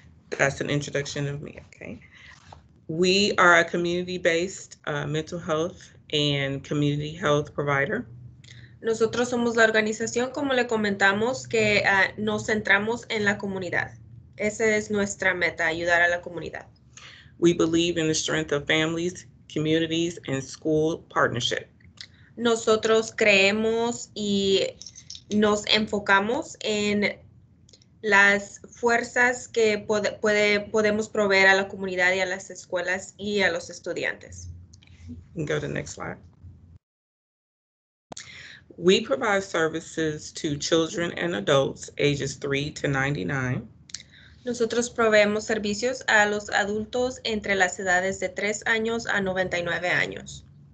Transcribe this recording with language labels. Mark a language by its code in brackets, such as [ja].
[en] That's an introduction of me, okay. We are a community-based mental health and community health provider. [es] Nosotros somos la organización, como le comentamos, que nos centramos en la comunidad. Esa es nuestra meta, ayudar a la comunidad. [en] We believe in the strength of families, communities, and school partnership. [es] Nosotros creemos y nos enfocamos en las fuerzas que podemos proveer a la comunidad y a las escuelas y a los estudiantes. [en] Go to the next slide. We provide services to children and adults ages 3 to 99. [es] Nosotros proveemos servicios a los adultos entre las edades de 3 años a 99 años.